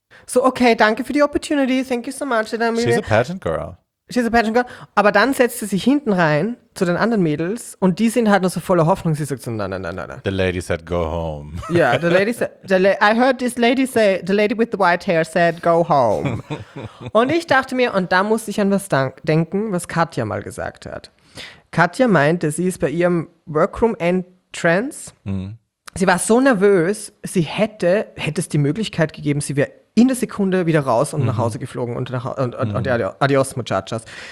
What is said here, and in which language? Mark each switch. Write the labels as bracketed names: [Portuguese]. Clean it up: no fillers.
[English] So, okay, [German] danke für die Opportunity, [English] thank you so much. She's a pageant girl. [German] Aber dann setzt sie sich hinten rein zu den anderen Mädels und die sind halt noch so voller Hoffnung. Sie sagt so, nein. [English] The lady said, go home. Yeah, the lady said, I heard this lady say, the lady with the white hair said, go home. [German] Und ich dachte mir, und da muss ich an was denken, was Katja mal gesagt hat. Katja meinte, sie ist bei ihrem Workroom Entrance. Mm. Sie war so nervös, sie hätte es die Möglichkeit gegeben, sie wäre in der Sekunde wieder raus und nach Hause geflogen und [Spanish] adios, muchachas.